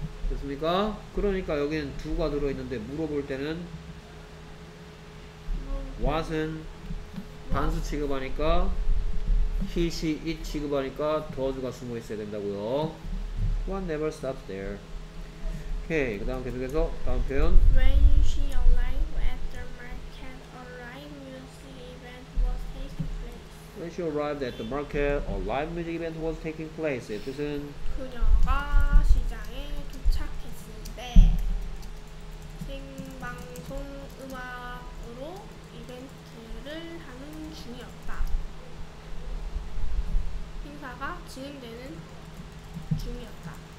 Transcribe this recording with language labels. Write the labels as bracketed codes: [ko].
[ko] 됐습니까? 그러니까 여기는 두가 들어있는데 물어볼 때는 what은 단수 취급하니까 he, she, it 취급하니까 does가 숨어있어야 된다고요. [en] what never stops there. [ko] 오케이, 그 다음 계속해서 다음 표현. [en] When she arrived at the market, a live music event was taking place. When she arrived at the market, a live music event was taking place. [ko] 이 뜻은? 그녀가 시장에 도착했을 때 생방송 음악으로 이벤트를 하는 중이었다. 행사가 진행되는 중이었다.